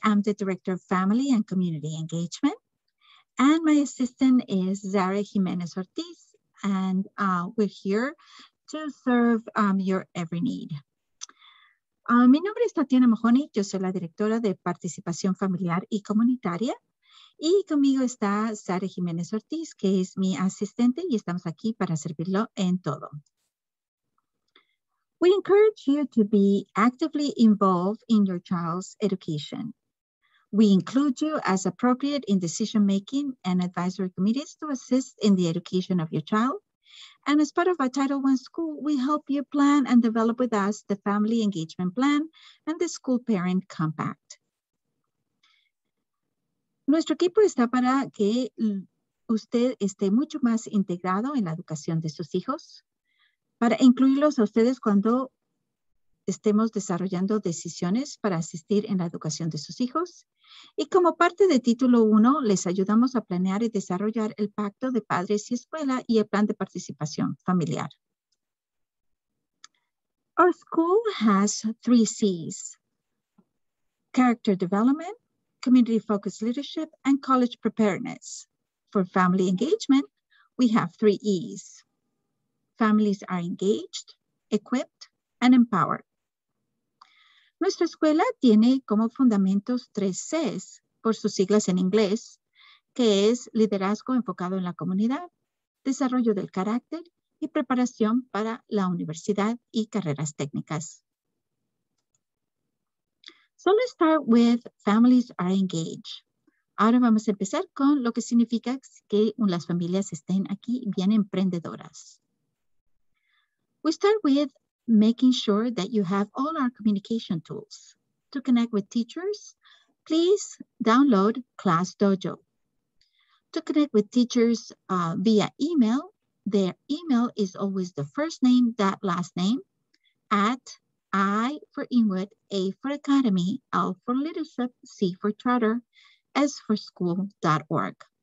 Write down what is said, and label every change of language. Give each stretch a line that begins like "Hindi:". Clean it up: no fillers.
English: I'm the Director of Family and Community Engagement. And my assistant is Zara Jimenez Ortiz. And we're here to serve your every need.
Spanish: Mi nombre es Tatiana Mahoney. Yo soy la Directora de Participación Familiar y Comunitaria. Y conmigo está Zara Jimenez Ortiz, que es mi asistente, y estamos aquí para servirlo en todo.
English: We encourage you to be actively involved in your child's education. We include you as appropriate in decision-making and advisory committees to assist in the education of your child. And as part of our Title I school, we help you plan and develop with us the Family Engagement Plan and the School Parent Compact.
Spanish: Nuestro equipo está para que usted esté mucho más integrado en la educación de sus hijos, para incluirlos a ustedes cuando estemos desarrollando decisiones para asistir en la educación de sus hijos. Y como parte de título 1, les ayudamos a planear y desarrollar el pacto de padres y escuela y el plan de participación familiar.
English: Our school has 3 C's: character development, community-focused leadership, and college preparedness. For family engagement, we have 3 E's. Families are engaged, equipped, and empowered.
Spanish: Nuestra escuela tiene como fundamentos 3 C's, por sus siglas en inglés, que es liderazgo enfocado en la comunidad, desarrollo del carácter y preparación para la universidad y carreras técnicas. So let's start with families are engaged. Ahora vamos a empezar con lo que significa que las familias estén aquí bien emprendedoras.
English: We start with making sure that you have all our communication tools. To connect with teachers, please download Class Dojo. To connect with teachers via email, their email is always the first name, that last name, at I for Inwood, A for Academy, L for Leadership, C for Charter, S for School.org.